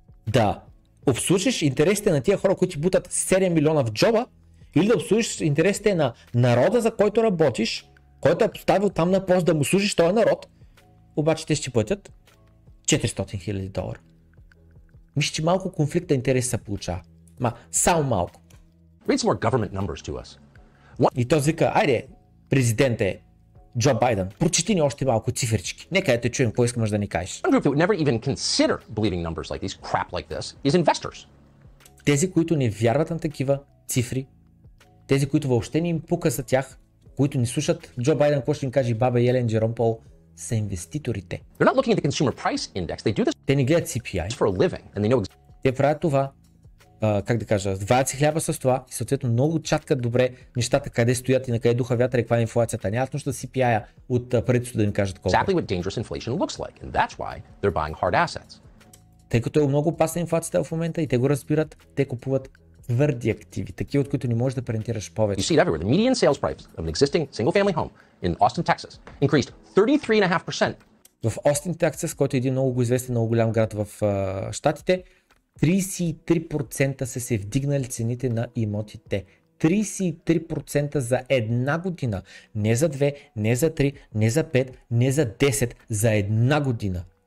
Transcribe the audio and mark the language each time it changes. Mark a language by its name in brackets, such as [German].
[Bulgarian] Да обслужиш интересите на тия хора, които ти бутат 7 милиона в джоба, или да обслужиш интересите на народа, за който работиш, който е поставил там на пост да му служиш този народ, обаче те ще платят $400,000. Мисля, че малко конфликта интерес се получава. Ма, само малко. [English] Read some more government numbers to us. What? [Bulgarian] И той вика, айде, президенте Джо Байден, прочети ни още малко циферчки. Нека да те чуем, кой искаш да ни кажеш. [English] One group that would never even consider believing numbers like these, crap like this, is investors. [Bulgarian] Тези, които не вярват на такива цифри, тези, които въобще не им пука за тях, които не слушат Джо Байден, какво ще им каже баба Йелен, Джером Пол, са инвеститорите. [English] They're not looking at the consumer price index. They do this. [Bulgarian] Те не гледат CPI. [English] For a living, and they know exactly. [Bulgarian] Те правят това, как да кажа, вадят си хляба с това и съответно много чаткат добре нещата, къде стоят и на къде духа вятър и каква е инфлацията. Нямат нужда CPI-а от правителството да ни кажат колко. [English] Exactly what dangerous inflation looks like, and that's why they're buying hard assets. [Bulgarian] Тъй като е много опасна инфлацията в момента и те го разбират, те купуват твърди активи, такива от които не можеш да принтираш повече. [English] You see it everywhere. The median sales price of an existing single family home in Austin, Texas increased 33.5%. [Bulgarian] В Austin, Texas, който е един много известен, много голям град в щатите, 33% са се вдигнали цените на имотите. 33% за една година. Не за две, не за три, не за пет, не за 10, за една година.